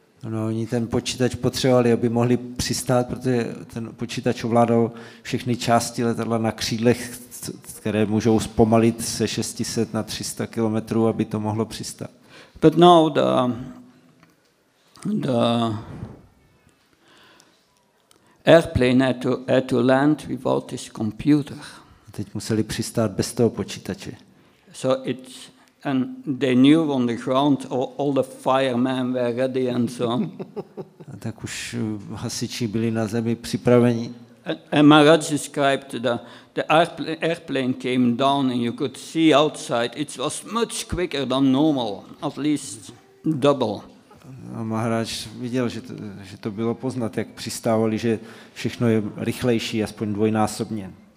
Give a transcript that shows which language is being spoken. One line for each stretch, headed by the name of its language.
Czech: No, oni ten počítač potřebovali, aby mohli přistát, protože ten počítač ovládal všechny části letadla na křídlech, které můžou zpomalit se 600 na 300 kilometrů, aby to mohlo přistát.
English: But now the airplane had to land without this computer.
Czech: Teď museli přistát bez toho počítače.
English: So it's and they knew on the ground all the firemen were ready and so on.
Czech: A tak už hasiči byli na zemi připraveni.
English: And Maharaj described the airplane came down and you could see outside. It was much quicker than normal, at least double.
Czech: A Maharaj viděl, že to bylo poznat, jak přistávali, že všechno je rychlejší, aspoň dvojnásobně.